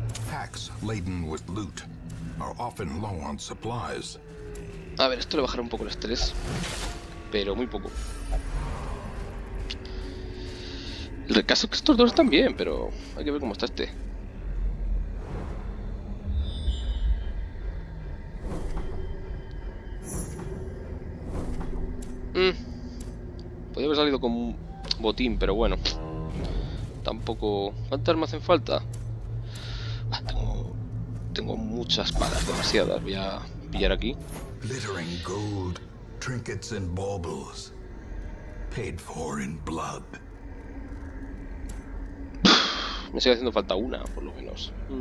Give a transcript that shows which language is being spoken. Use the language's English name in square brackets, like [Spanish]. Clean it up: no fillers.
[English] Packs laden with loot are often low on supplies. [Spanish] A ver, esto le bajará un poco el estrés, pero muy poco. El caso es que estos dos están bien, pero hay que ver cómo está este. Mm. salido con botín, pero bueno. Tampoco. ¿Cuántas armas hacen falta? Ah, tengo muchas espadas, demasiadas. Voy a pillar aquí. [English] Glittering gold, trinkets and baubles, paid for in blood. [Spanish] Me sigue haciendo falta una, por lo menos.